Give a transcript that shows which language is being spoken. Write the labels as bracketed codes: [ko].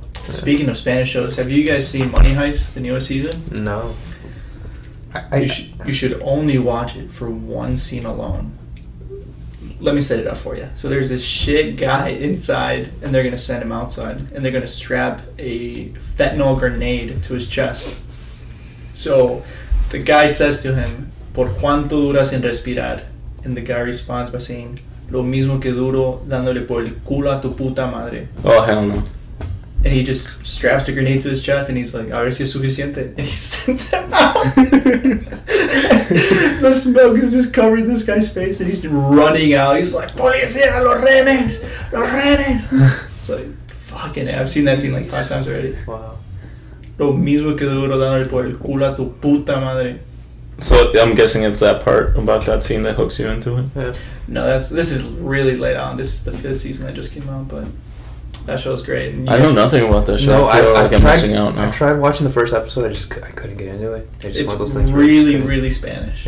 [en] Speaking of Spanish shows, have you guys seen Money Heist, the newest season? No. You should only watch it for one scene alone. Let me set it up for you. So there's this shit guy inside, and they're going to send him outside, and they're going to strap a fentanyl grenade to his chest. So the guy says to him, [es] ¿Por cuánto duras sin respirar? [en] And the guy responds by saying, [es] lo mismo que duro dándole por el culo a tu puta madre. [en] Oh, hell no. And he just straps a grenade to his chest, and he's like, [es] ahora sí es suficiente. [en] And he sends him out. The smoke is just covering this guy's face, and he's running out. He's like, [es] policía, los renes. [en] It's like, fucking, I've seen that scene like 5 times already. Wow. [es] Lo mismo que duro dándole por el culo a tu puta madre. [en] So I'm guessing it's that part about that scene that hooks you into it? Yeah. No, this is really late on. This is the 5th season that just came out, but... That show's great. I know nothing about that show. No, I'm missing out now. I tried watching the first episode. I couldn't get into it. It's really, really Spanish.